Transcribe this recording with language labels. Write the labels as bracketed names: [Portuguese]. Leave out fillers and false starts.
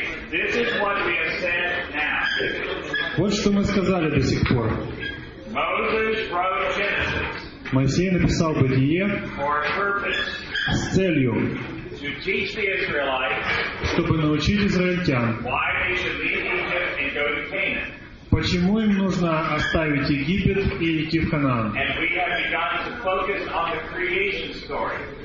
[English] This is what we have said now. [Russian] Вот что мы сказали до сих пор. [English] Moses wrote Genesis. [Russian] Моисей написал Бытие. [English] For a purpose. [Russian] С целью. [English] To teach the Israelites. [Russian] Чтобы научить израильтян. [English] Why they should leave Egypt and go to Canaan. [Russian] Почему им нужно оставить Египет и идти в Канаан? [English] And we have begun to focus on the creation story.